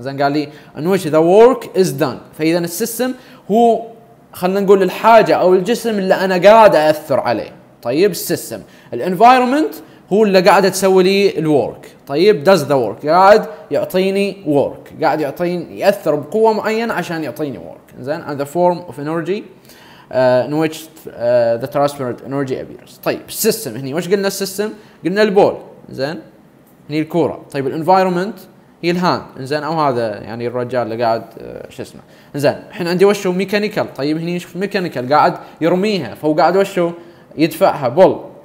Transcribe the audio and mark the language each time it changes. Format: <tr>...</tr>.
<ar>زين قال لي ان ويش ذا ورك از دان. فاذا السيستم هو خلينا نقول الحاجه او الجسم اللي انا قاعد اثر عليه. طيب السيستم الانفايرمنت هو اللي قاعد تسوي لي الورك. طيب</ar> <en>does the work</en> <ar>قاعد يعطيني ورك، قاعد يعطيني ياثر بقوه معينه عشان يعطيني ورك.</ar> <en>زين and the form of energy in which the transferred energy appears.</en> <ar>طيب السيستم هني وش قلنا السيستم؟ قلنا البول. زين هني الكرة. طيب الانفايرومنت هي الهاند. زين او هذا يعني الرجال اللي قاعد شو اسمه. زين الحين عندي وشو ميكانيكال. طيب هني شوف ميكانيكال قاعد يرميها، فهو قاعد وشو يدفعها بول.</ar>